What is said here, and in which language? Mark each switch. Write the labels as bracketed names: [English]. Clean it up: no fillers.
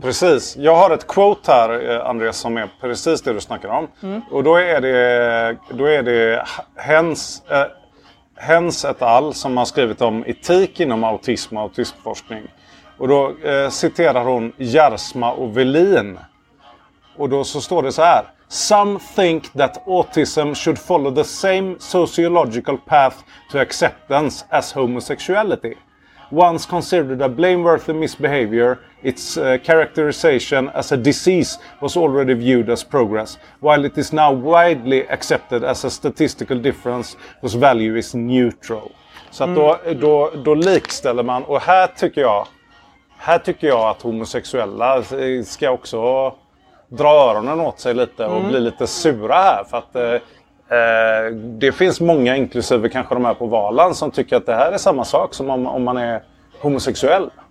[Swedish] Precis, jag har ett quote här, Andreas, som är precis det du snackar om, mm, och då är det hens Hens et al. Som har skrivit om etik inom autism och autismforskning. Och då citerar hon Järsma och Velin. Och då så står det så här. [English] Some think that autism should follow the same sociological path to acceptance as homosexuality. Once considered a blameworthy misbehavior, its characterization as a disease was already viewed as progress, while it is now widely accepted as a statistical difference whose value is neutral. [Swedish] Så att då likställer man, och här tycker jag att homosexuella ska också dra öronen åt sig lite och bli lite sura här, för att det finns många, inklusive kanske de här på Valand, som tycker att det här är samma sak som om man är homosexuell.